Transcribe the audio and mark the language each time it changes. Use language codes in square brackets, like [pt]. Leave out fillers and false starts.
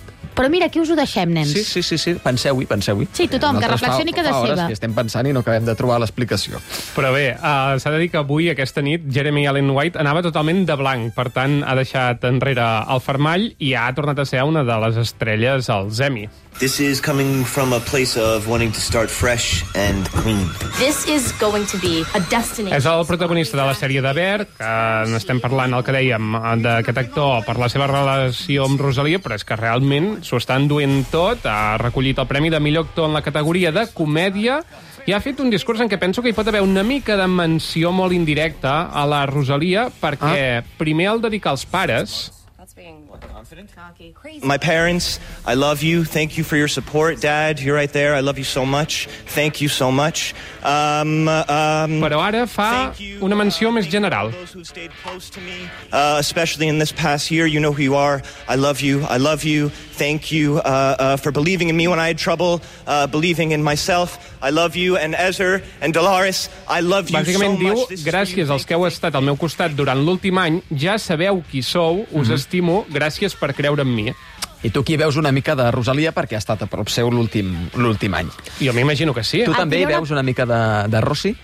[ca] Però mira, aquí us ho deixem, nens. Sí. Penseu-hi. Sí, tothom, que reflexioni cada seva. Que estem pensant i no acabem de trobar l'explicació. Però bé, s'ha de dir que avui, aquesta nit, Jeremy Allen White anava totalment de blanc. Per tant, ha deixat enrere el fermall i ha tornat a ser una de les estrelles als Emmy. [en] This is coming from a place of wanting to start fresh and clean. This is going to be a destiny. [ca] És el protagonista de la sèrie de Bear, que n'estem parlant, el que dèiem, d'aquest actor per la seva relació amb Rosalia, però és que realment s'ho està enduent tot. Ha recollit el premi de millor actor en la categoria de comèdia i ha fet un discurs en què penso que hi pot haver una mica de menció molt indirecta a la Rosalia, perquè primer el dedica als pares. [en] My parents, I love you. Thank you for your support. Dad, you're right there. I love you so much. Thank you so much. [ca] Però ara fa una menció més general. [en] Especially in this past year, you know who you are. I love you. I love you. Thank you for believing in me when I had trouble believing in myself. I love you. And Ezra and Dolores, I love you so much. [ca] Bàsicament diu, gràcies als que heu estat al meu costat durant l'últim any, ja sabeu qui sou, us estimo, gràcies per creure en mi. I tu aquí veus una mica de Rosalia perquè ha estat a prop seu l'últim any. Jo m'imagino que sí. Tu també hi veus una mica de Rosi?